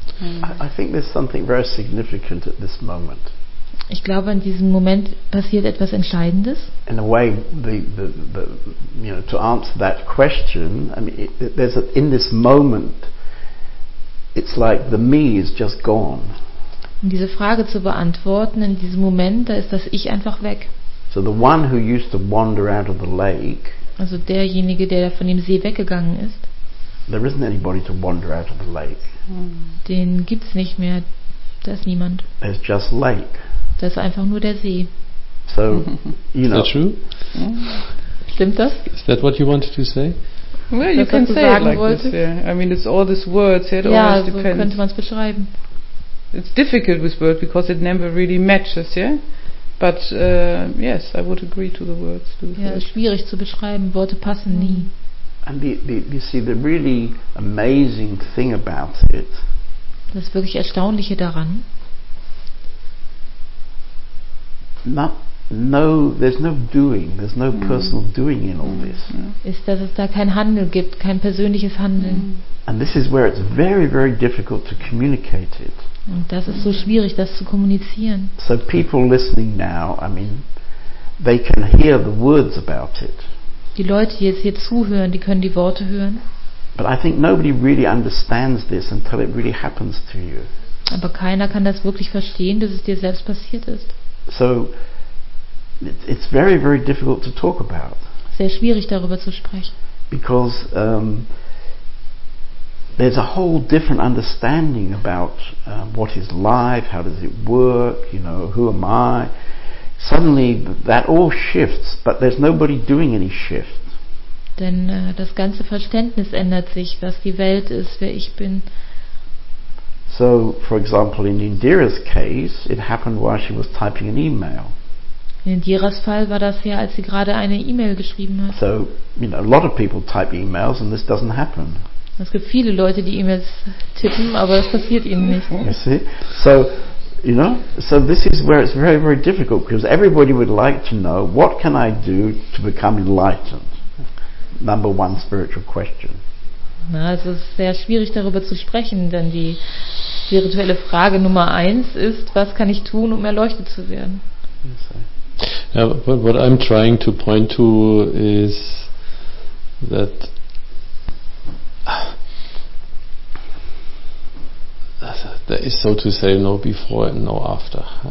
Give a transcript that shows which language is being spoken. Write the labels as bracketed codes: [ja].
[en] I think there's something very significant at this moment. [de] Ich glaube, in diesem Moment passiert etwas Entscheidendes. [en] In a way, the you know, to answer that question, I mean, in this moment, it's like the me is just gone. [de] Um diese Frage zu beantworten, in diesem Moment, da ist das Ich einfach weg. [en] So the one who used to wander out of the lake. [de] Also derjenige, der von dem See weggegangen ist. [en] There isn't anybody to wander out of the lake. [de] Den gibt's nicht mehr. Da ist niemand. [en] There's just lake. [de] Das ist einfach nur der See. [en] So, you know. Is that true? [de] Stimmt das? [en] Is that what you wanted to say? Well, you can say it like [de] wolltest? [en] This. Yeah. I mean, it's all these words. It [de] ja, [en] always depends. [de] So könnte man es beschreiben. [en] It's difficult with words because it never really matches, yeah. But yes, I would agree to the words. [de] Ja, schwierig zu beschreiben. Worte passen nie. [en] And you see, the really amazing thing about it. [de] Das wirklich Erstaunliche daran. [en] No, there's no doing. There's no personal doing in all this. [de] Ist, dass es da kein Handeln gibt, kein persönliches Handeln. [en] And this is where it's very, very difficult to communicate it. [de] Und das ist so schwierig, das zu kommunizieren. [en] So people listening now, I mean, they can hear the words about it. [de] Die Leute, die jetzt hier zuhören, die können die Worte hören. [en] But I think nobody really understands this until it really happens to you. [de] Aber keiner kann das wirklich verstehen, dass es dir selbst passiert ist. [en] So it's very, very difficult to talk about. [de] Sehr schwierig, darüber zu sprechen. [en] Because there's a whole different understanding about what is life, how does it work, you know, who am I? Suddenly that all shifts, but there's nobody doing any shift. [de] Denn das ganze Verständnis ändert sich, was die Welt ist, wer ich bin. [en] So, for example, in Indira's case, it happened while she was typing an email. [de] In Diras Fall war das ja, als sie gerade eine E-Mail geschrieben hat. [en] So, you know, a lot of people type emails and this doesn't happen. [de] Es gibt viele Leute, die E-Mails tippen, aber das passiert ihnen nicht. [en] You see? So, you know, so this is where it's very, very difficult, because everybody would like to know, what can I do to become enlightened? Number one spiritual question. [de] Na, es ist sehr schwierig, darüber zu sprechen, denn die spirituelle Frage Nummer eins ist, was kann ich tun, um erleuchtet zu werden? [en] Yeah, but what I'm trying to point to is that there is, so to say, no before and no after.